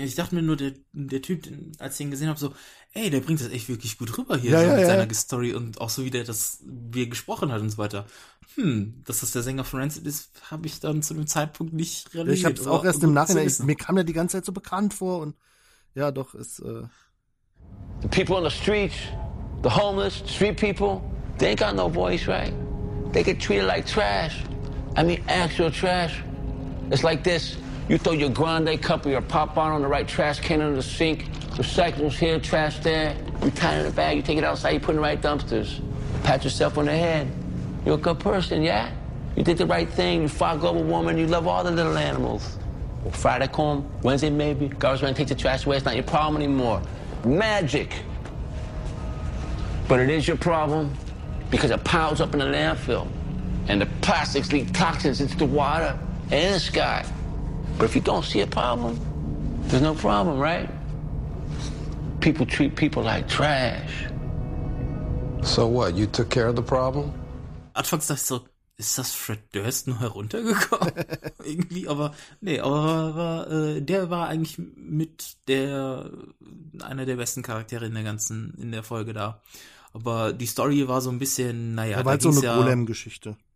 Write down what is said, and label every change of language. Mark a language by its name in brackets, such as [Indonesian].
[German] Ich dachte mir nur, der Typ, als ich ihn gesehen habe, so, ey, der bringt das echt wirklich gut rüber hier seiner Story und auch so, wie der das, wie er gesprochen hat und so weiter. Dass das der Sänger von Rancid ist, habe ich dann zu dem Zeitpunkt nicht realisiert. Ich habe es auch erst im Nachhinein, mir kam der die ganze Zeit so bekannt vor und ja, doch, ist, [English] The people on the streets, the homeless, street people, they ain't got no voice, right? They get treated like trash. I mean, actual trash. It's like this. You throw your grande cup or your pop bottle in the right trash can under the sink. Recyclables here, trash there. You tie it in a bag, you take it outside, you put it in the right dumpsters. Pat yourself on the head. You're a good person, yeah? You did the right thing. You fought global warming. You love all the little animals. Well, Friday come, Wednesday maybe. Garbage man takes the trash away. It's not your problem anymore. Magic. But it is your problem because it piles up in the landfill and the plastics leak toxins into the water and in the sky. But if you don't see a problem, there's no problem, right? People treat people like trash. So what, you took care of the problem? [German] Anfangs dachte ich so, ist das Fred Durst nur heruntergekommen? Irgendwie, der war eigentlich mit einer der besten Charaktere in der Folge da. Aber die Story war so ein bisschen, naja. Er war so eine Golem-Geschichte.